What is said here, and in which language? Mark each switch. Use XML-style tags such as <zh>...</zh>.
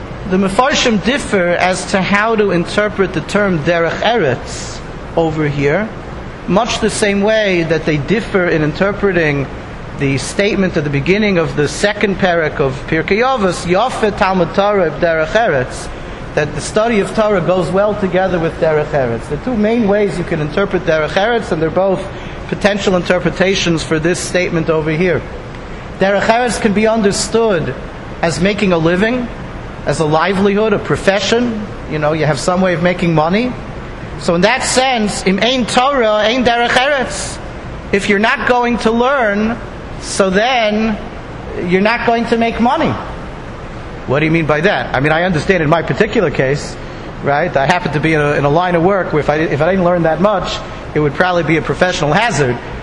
<en>The Mefarshim differ as to how to interpret the term derech eretz over here, much the same way that they differ in interpreting the statement at the beginning of the second parak of Pirkei Avos,</en> <he>Yofe Talmud Torah derech eretz,</he> <en>that the study of Torah goes well together with derech eretz. The two main ways you can interpret derech eretz, and they're both potential interpretations for this statement over here. Derech eretz can be understood as making a living, as a livelihood, a profession. You know, you have some way of making money. So in that sense,</en> <he>im ein Torah, ein derech eretz.</he> <en>If you're not going to learn, so then you're not going to make money. What do you mean by that? I mean, I understand in my particular case, right? I happen to be in a line of work where if I didn't learn that much, it would probably be a professional hazard.</en>